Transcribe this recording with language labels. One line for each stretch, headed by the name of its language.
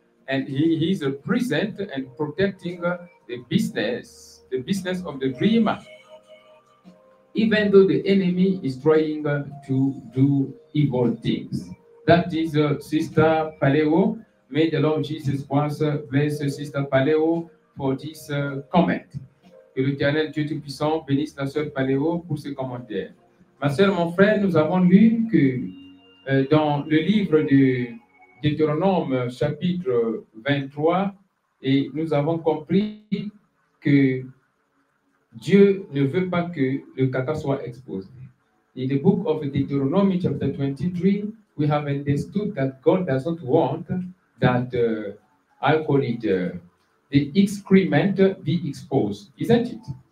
English: And he is present and protecting the business of the dreamer. Even though the enemy is trying to do evil things. That is Sister Paléo. May the Lord Jesus Christ bless Sister Paléo for this comment.
French: Que l'Éternel Dieu Tout-Puissant bénisse la sœur Paléo pour ce commentaire. Ma sœur, mon frère, nous avons lu que dans le livre de Deutéronome chapitre 23, et nous avons compris que Dieu ne veut pas que le caca soit exposé.
English: In the book of Deuteronomy chapter 23, we have understood that God doesn't want that, I call it, the excrement be exposed, isn't it?